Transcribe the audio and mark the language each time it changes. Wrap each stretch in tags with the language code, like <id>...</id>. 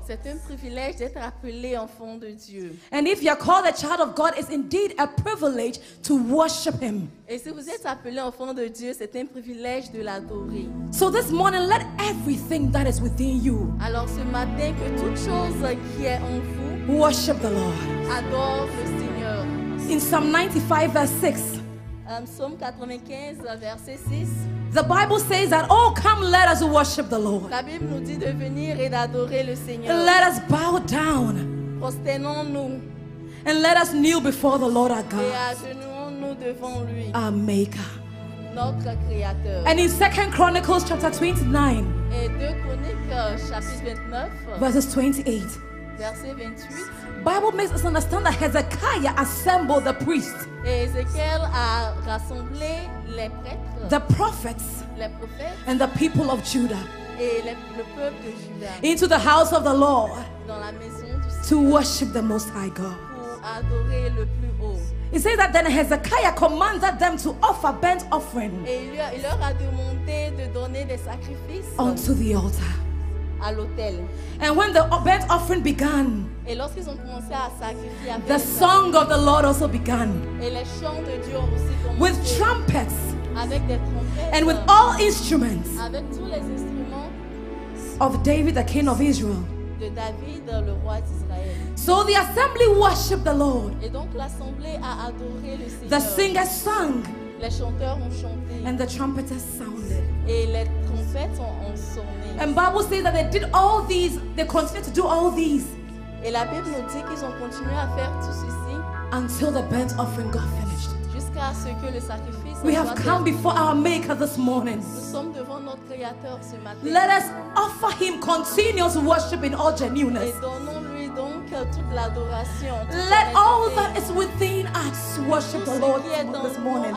<fr>C'est un privilège d'être appelé enfant de Dieu.</fr> <en>And if you're called a child of God, it's indeed a privilege to worship Him.</en> <fr>Et si vous êtes appelé enfant de Dieu, c'est un privilège de l'adorer.</fr> <en>So this morning, let everything that is within you.</en> <fr>Alors ce matin, que toute chose qui est en vous.</fr> <en>Worship the Lord.</en> <fr>Adore le Seigneur.</fr> <en>In Psalm 95, verse 6.</en> <fr>Psaume 95, verset 6.</fr> <en>The Bible says that, oh, come, let us worship the Lord.</en> <fr>La Bible nous dit de venir et d'adorer le Seigneur.</fr> <en>Let us bow down.</en> <fr>Prosternons-nous.</fr> <en>And let us kneel before the Lord our God.</en> <fr>Et agenouillons-nous devant lui.</fr> <en>Our Maker.</en> <fr>Notre Créateur.</fr> <en>And in 2 Chronicles chapter 29.</en> <fr>Et 2 Chroniques chapitre 29.</fr> <en>Verses 28.</en> <fr>Verset 28.</fr> <en>Bible makes us understand that Hezekiah assembled the priests.</en> <fr>Et Ézéchiel a rassemblé les prêtres.</fr> <en>The prophets.</en> <fr>Les prophètes.</fr> <en>And the people of Judah.</en> <fr>Et le peuple de Juda.</fr> <en>Into the house of the Lord.</en> <fr>Dans la maison du Seigneur.</fr> <en>To worship the Most High God.</en> <fr>Pour adorer le plus haut.</fr> <en>It says that then Hezekiah commanded them to offer burnt offering.</en> <fr>Et il leur a demandé de donner des sacrifices.</fr> <en>Onto the altar.</en> <fr>À l'autel.</fr> <en>And when the burnt offering began,</en> <fr>et lorsqu'ils ont commencé à sacrifier,</fr> <en>the song of the Lord also began.</en> <fr>Et les chants de Dieu ont aussi commencé.</fr> <en>With trumpets.</en> <fr>Avec des trompettes.</fr> <en>And with all instruments.</en> <fr>Avec tous les instruments.</fr> <en>Of David, the king of Israel.</en> <fr>De David, le roi d'Israël.</fr> <en>So the assembly worshipped the Lord.</en> <fr>Et donc l'assemblée a adoré le Seigneur.</fr> <en>The singers sang.</en> <fr>Les chanteurs ont chanté.</fr> <en>And the trumpeters sounded.</en> <fr>Et les trompettes ont sonné.</fr> <en>And Bible says that they did all these, they continued to do all these.</en> <fr>Et la Bible nous dit qu'ils ont continué à faire tout ceci.</fr> <en>Until the burnt offering got finished.</en> <fr>Jusqu'à ce que le sacrifice.</fr> <en>We have come before our Maker this morning.</en> <fr>Nous sommes devant notre Créateur ce matin.</fr> <en>Let us offer Him continuous worship in all genuineness.</en> <fr>Et donnons-lui donc toute l'adoration.</fr> <en>Let all that is within us worship the Lord this morning.</en>